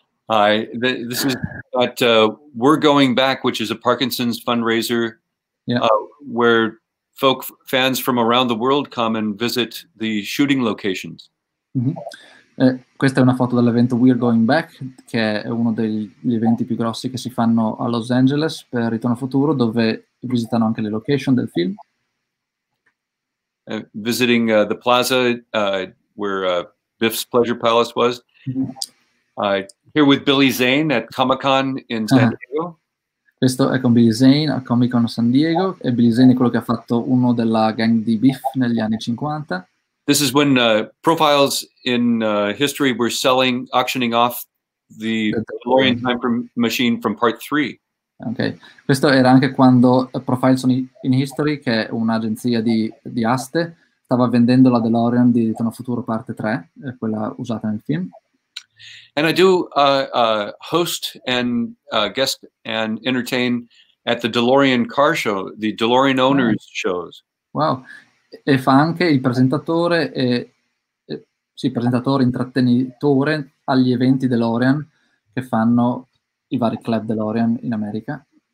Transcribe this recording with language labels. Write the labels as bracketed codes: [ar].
[en] Hi, this is at We're Going Back, which is a Parkinson's fundraiser, yeah. Where folk fans from around the world come and visit the shooting locations. [it] Mm-hmm. Questa è una foto dell'evento We're Going Back, che è uno degli eventi più grossi che si fanno a Los Angeles per Ritorno Futuro, dove visitano anche le location del film. [en] Visiting the plaza where Biff's Pleasure Palace was. Mm-hmm. Here with Billy Zane at Comic-Con in San Diego. [it] Questo è con Billy Zane a Comic Con San Diego e Billy Zane è quello che ha fatto uno della gang di Biff negli anni 50. [en] This is when profiles in history were selling, auctioning off the DeLorean time machine from part 3. [it] Ok, questo era anche quando Profiles in History, che è un'agenzia di aste, stava vendendo la DeLorean di Ritorno Futuro parte 3, quella usata nel film. [en] And I do host and guest and entertain at the DeLorean car show, the DeLorean owners shows. Wow. [it] E fa anche il presentatore presentatore intrattenitore agli eventi DeLorean che fanno i vari club DeLorean in America.